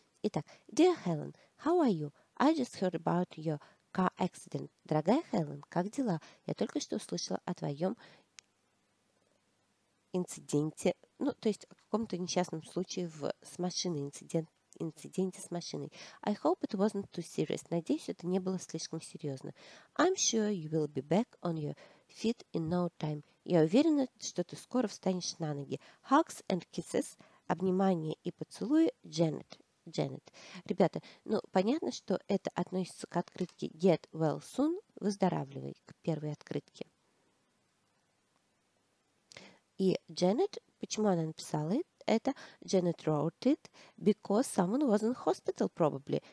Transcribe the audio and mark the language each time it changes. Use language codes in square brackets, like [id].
[en] Итак, Dear Helen, how are you? I just heard about your car accident. [ru] Дорогая Хелен, как дела? Я только что услышала о твоем инциденте. Ну, то есть о каком-то несчастном случае с машиной. Инциденте с машиной. [en] I hope it wasn't too serious. [ru] Надеюсь, это не было слишком серьезно. [en] I'm sure you will be back on your feet in no time. [ru] Я уверена, что ты скоро встанешь на ноги. [en] Hugs and kisses. [ru] Обнимание и поцелуи. [en] Janet. [ru] Ребята, ну, понятно, что это относится к открытке [en] Get well soon. [ru] Выздоравливай. К первой открытке. И Janet, почему она написала это? [en] Это Janet wrote it because someone was in hospital, probably.